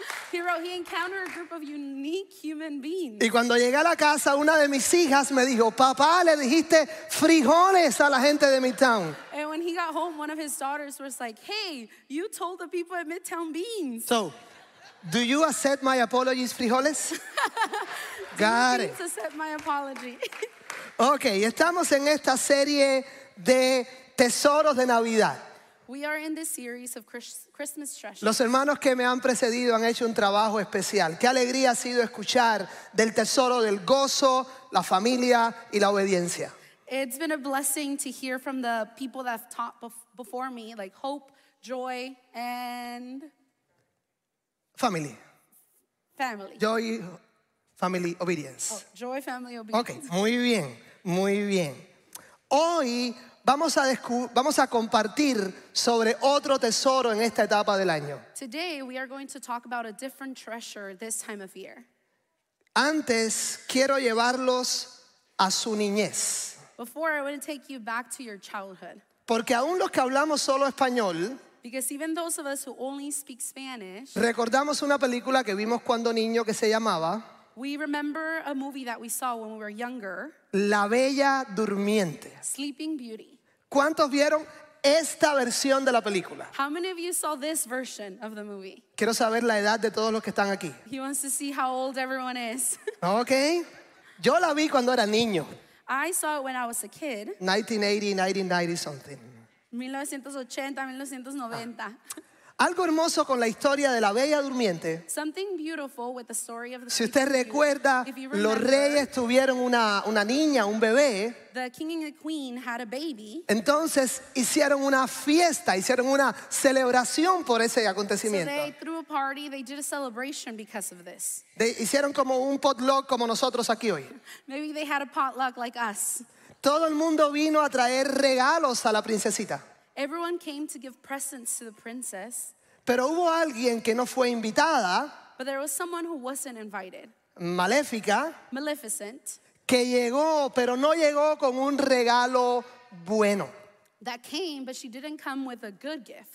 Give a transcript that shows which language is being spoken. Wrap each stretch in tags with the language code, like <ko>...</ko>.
<en>He wrote, he encountered a group of unique human beings.</en> <es>Y cuando llegué a la casa, una de mis hijas me dijo, papá, le dijiste frijoles a la gente de Midtown.</es> <en>And when he got home, one of his daughters was like, hey, you told the people at Midtown beans. So, do you accept my apologies, frijoles? Got it. Do you accept my apology?</en> <es>Okay, estamos en esta serie de tesoros de Navidad.</es> <en>We are in this series of Christmas treasures.</en> <es>Los hermanos que me han precedido han hecho un trabajo especial. Qué alegría ha sido escuchar del tesoro del gozo, la familia y la obediencia.</es> <en>It's been a blessing to hear from the people that have taught before me, like Hope, Joy, and... Family. Family. Joy, Family, Obedience. Oh, Joy, Family, Obedience.</en> <es>Ok, muy bien, muy bien. Hoy vamos a compartir sobre otro tesoro en esta etapa del año.</es> <en>Today we are going to talk about a different treasure this time of year.</en> <es>Antes quiero llevarlos a su niñez.</es> <en>Before I want to take you back to your childhood.</en> <es>Porque aún los que hablamos solo español,</es> <en>because even those of us who only speak Spanish,</en> <es>recordamos una película que vimos cuando niño que se llamaba,</es> <en>we remember a movie that we saw when we were younger,</en> <es>La Bella Durmiente.</es> <en>Sleeping Beauty.</en> <es>¿Cuántos vieron esta versión de la película?</es> <en>How many of you saw this version of the movie?</en> <es>Quiero saber la edad de todos los que están aquí.</es> <en>He wants to see how old everyone is.</en> <es>Okay. Yo la vi cuando era niño.</es> <en>I saw it when I was a kid. 1980 something. 1980, 1990.</en> <es>Algo hermoso con la historia de la Bella Durmiente.</es> <en>Something beautiful with the story of the</en> <es>Si usted recuerda, remember, los reyes tuvieron una niña, un bebé.</es> <en>The king and the queen had a baby.</en> <es>Entonces hicieron una fiesta, hicieron una celebración por ese acontecimiento.</es> <en>So they threw a party, they did a celebration because of this.</en> <es>Hicieron como un potluck como nosotros aquí hoy.</es> <en>Maybe they had a potluck like us.</en> <es>Todo el mundo vino a traer regalos a la princesita.</es> <en>Everyone came to give presents to the princess.</en> <es>Pero hubo alguien que no fue invitada.</es> <en>But there was someone who wasn't invited.</en> <es>Maléfica.</es> <en>Maleficent.</en> <es>Que llegó, pero no llegó con un regalo bueno.</es> <en>That came, but she didn't come with a good gift.</en>